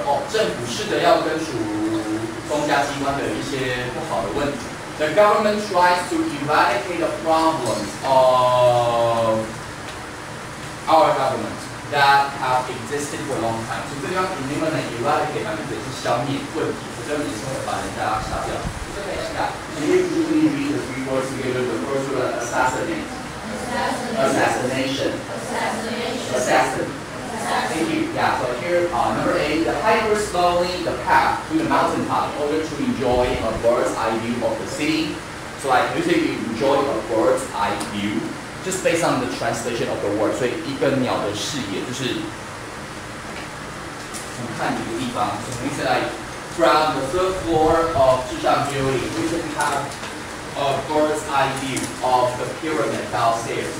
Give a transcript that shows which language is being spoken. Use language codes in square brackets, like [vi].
[zh] 政府试着要根除公家机关的一些不好的问题。 [en] The government tries to eradicate the problems of our government that have existed for a long time. [zh] 所以这地方 eliminate eradicate 它就等于是消灭问题，否则你是会把人家杀掉。这个也是的。 [en] Can you usually read the three words together? The first word assassination. Assassination. Assassin. Thank you. Yeah, so here, number eight, the hiker slowly the path to the mountaintop in order to enjoy a bird's eye view of the city. So like, you say you enjoy a bird's eye view, just based on the translation of the word. [zh] 所以一个鸟的视野就是俯瞰一个地方。 [en] So you say like, from the third floor of 至上 building, you can have a bird's eye view of the pyramid downstairs.